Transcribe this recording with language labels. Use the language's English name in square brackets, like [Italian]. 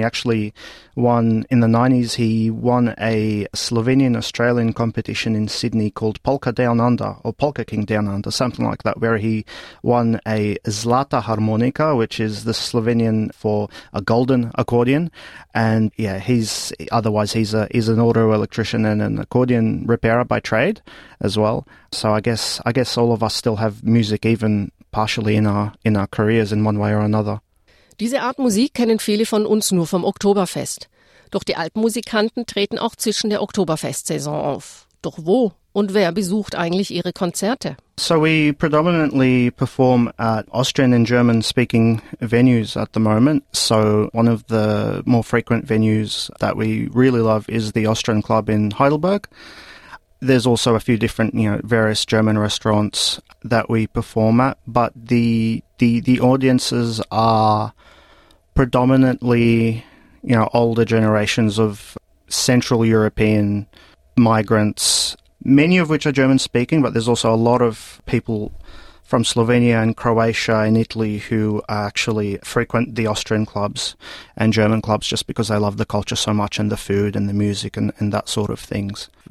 [English] He actually won in the 90s. He won a Slovenian-Australian competition in Sydney called Polka Down Under, or Polka King Down Under, something like that, where he won a Zlata harmonika, which is the Slovenian for a golden accordion. And yeah, he's an auto electrician and an accordion repairer by trade as well. So I guess all of us still have music, even partially in our careers in one way or another. [German] Diese Art Musik kennen viele von uns nur vom Oktoberfest. Doch die Alpenmusikanten treten auch zwischen der Oktoberfestsaison auf. Doch wo und wer besucht eigentlich ihre Konzerte? [English] So we predominantly perform at Austrian and German speaking venues at the moment. So one of the more frequent venues that we really love is the Austrian Club in Heidelberg. There's also a few different, you know, various German restaurants that we perform at, but the audiences are predominantly, you know, older generations of Central European migrants, many of which are German-speaking, but there's also a lot of people from Slovenia and Croatia and Italy who actually frequent the Austrian clubs and German clubs just because they love the culture so much and the food and the music and that sort of things.